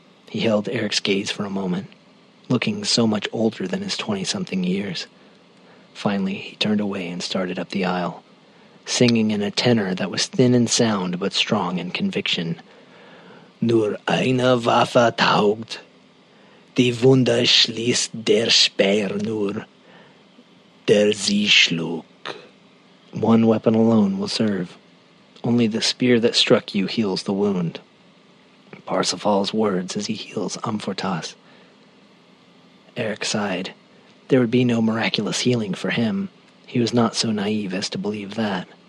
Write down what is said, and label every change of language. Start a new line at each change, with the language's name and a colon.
English: He held Eric's gaze for a moment, looking so much older than his 20-something years. Finally, he turned away and started up the aisle, singing in a tenor that was thin in sound but strong in conviction.
German: "Nur eine Waffe taugt. Die Wunde schließt der Speer nur, der sie schlug."
English: One weapon alone will serve. Only the spear that struck you heals the wound. Parsifal's words as he heals Amfortas. Eric sighed. There would be no miraculous healing for him. He was not so naive as to believe that.